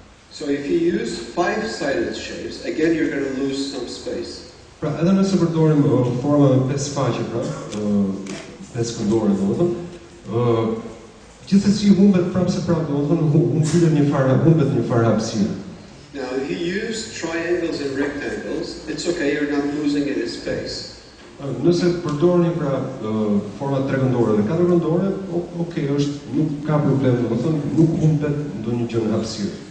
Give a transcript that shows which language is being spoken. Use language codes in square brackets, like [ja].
[en] So if you use five-sided shapes, again you're going to lose some space. [sq] Pra edhe nëse përdorim forma me 5 faqe, pra, 5 këndore, do më thë, gjithë si humbet prapse prap, do më thë, humbet një farë hapsirë. [en] Now if you use triangles and rectangles, it's okay, you're not losing any space. [sq] Nëse përdorni pra format trekëndore dhe katërkëndore, okay, është nuk ka problem, do të thonë nuk humbet ndonjë gjë në hapësirë.